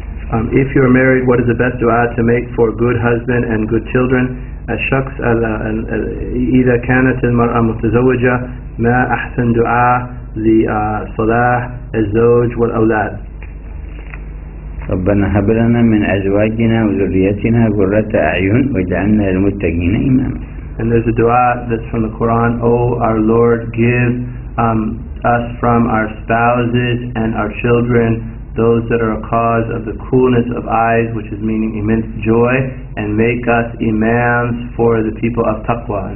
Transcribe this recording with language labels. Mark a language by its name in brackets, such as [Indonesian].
[English] If you are married, what is the best dua to make for a good husband and good children? [Arabic] الشخص إذا كانت المرأة متزوجة ما أحسن دعاء لصلاح الزوج والأولاد. ربنا هب لنا من أزواجنا وذريتنا قرة أعين واجعلنا للمتقين إماما. [English] And there's a dua that's from the Quran. Oh, our Lord, give us from our spouses and our children those that are a cause of the coolness of eyes, which is meaning immense joy, and make us imams for the people of taqwa.